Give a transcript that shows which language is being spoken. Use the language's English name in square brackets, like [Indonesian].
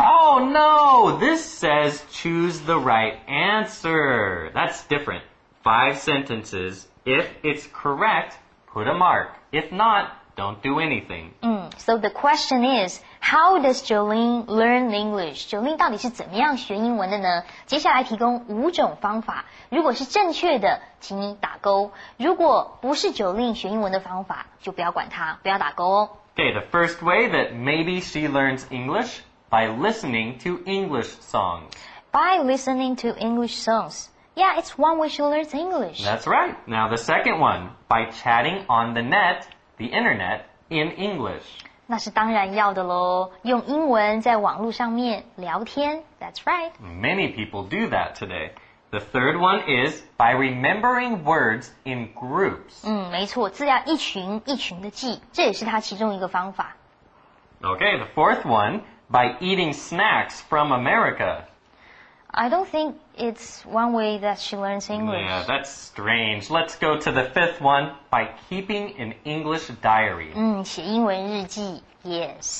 [English] Oh, no! This says choose the right answer. That's different. 5 sentences. If it's correct, put a mark. If not, don't do anything. So the question is, how does Jolene learn English? [Chinese] Jolene 到底是怎么样学英文的呢？接下来提供5种方法。如果是正确的，请你打勾。如果不是 Jolene 学英文的方法，就不要管它，不要打勾哦。 [English] Okay, the first way that maybe she learns English, by listening to English songs. By listening to English songs. Yeah, it's one way she learns English. That's right. Now the second one, by chatting on the net,The internet in English. [Chinese] 那是当然要的咯。用英文在网络上面聊天。 [English] That's right. Many people do that today. The third one is by remembering words in groups. [Chinese] 没错，字要一群一群的记，这也是它其中一个方法。 [English] Okay, the fourth one, by eating snacks from America. I don't think it's one way that she learns English. Yeah, that's strange. Let's go to the fifth one, by keeping an English diary. [Chinese] 写英文日记 yes.